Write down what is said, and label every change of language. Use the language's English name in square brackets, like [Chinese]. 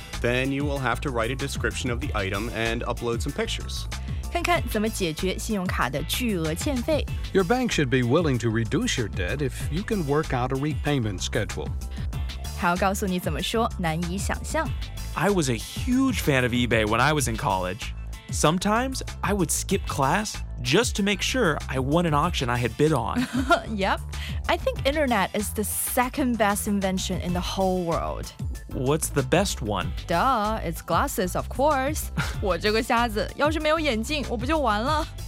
[English] Then you will have to write a description of the item and upload some pictures. [Chinese] 看看怎么解决信用卡的巨额欠费。 [English] Your bank should be willing to reduce your debt if you can work out a repayment schedule. [Chinese] 还要告诉你怎么说，难以想象。 [English] I was a huge fan of eBay when I was in college. Sometimes I would skip class just to make sure I won an auction I had bid on. Yep. I think internet is the second best invention in the whole world. What's the best one? Duh, it's glasses, of course. [Chinese] 我这个瞎子要是没有眼镜，我不就完了。